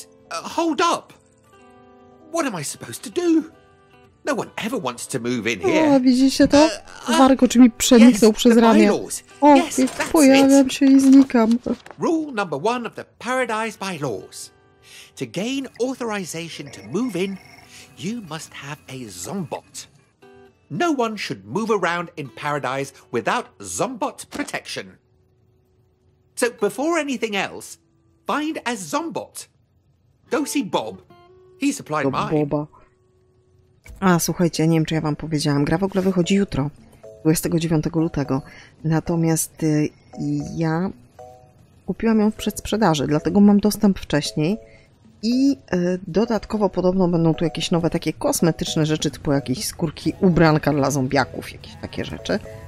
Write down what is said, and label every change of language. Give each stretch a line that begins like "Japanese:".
English: Hold up. What am I supposed to do? No one ever wants to move in here.
Polish: O, widzicie to? Wargo, czy mi przeniknął przez ramię?
English: O, yes,
Polish: pojawiam it. Się i znikam.
English: Rule number one of the Paradise Bylaws. To gain authorization to move in, you must have a zombot. No one should move around in Paradise without zombot protection. So before anything else, find a zombot. Go see Bob. He supplied Bob mine.
Polish: Boba. A, słuchajcie, nie wiem, czy ja wam powiedziałam. Gra w ogóle wychodzi jutro, 29 lutego. Natomiast ja kupiłam ją w przedsprzedaży, dlatego mam dostęp wcześniej. I dodatkowo podobno będą tu jakieś nowe takie kosmetyczne rzeczy, typu jakieś skórki ubranka dla zombiaków, jakieś takie rzeczy.